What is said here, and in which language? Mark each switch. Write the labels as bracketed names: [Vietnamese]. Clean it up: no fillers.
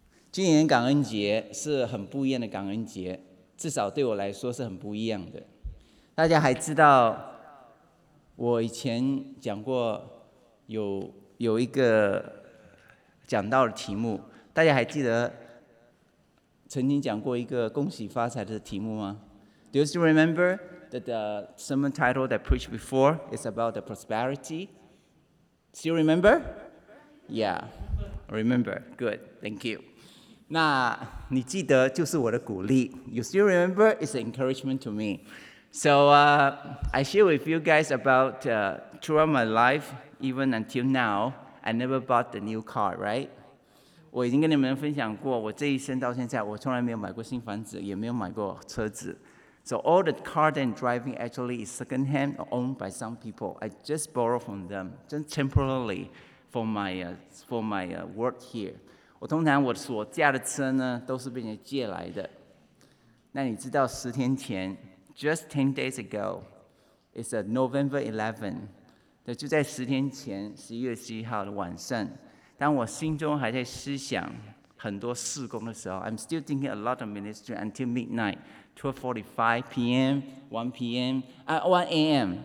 [Chinese] 今年感恩节是很不一样的感恩节，至少对我来说是很不一样的。大家还知道我以前讲过 有一个讲到的题目，大家还记得曾经讲过一个恭喜发财的题目吗？ [English] Do you still remember that the sermon title that I preached before is about the prosperity? Still remember? Yeah, remember. Good, thank you. [Chinese] 那你记得就是我的鼓励。 [English] You still remember? It's an encouragement to me. So I share with you guys about throughout my life, even until now, I never bought the new car, right? [Chinese] 我已经跟你们分享过，我这一生到现在，我从来没有买过新房子，也没有买过车子。 [English] So all the car that I'm driving actually is second hand or owned by some people. I just borrow from them, just temporarily for my work here. [Chinese] 我通常我所驾的车呢，都是被人借来的。那你知道十天前 [English] ，just 10 days ago, it's a November 11. [Chinese] 就在十天前，十一月十一号的晚上。当我心中还在思想很多事工的时候 [English] I'm still thinking a lot of ministry until midnight 12:45 p.m. 1 p.m. 1 a.m.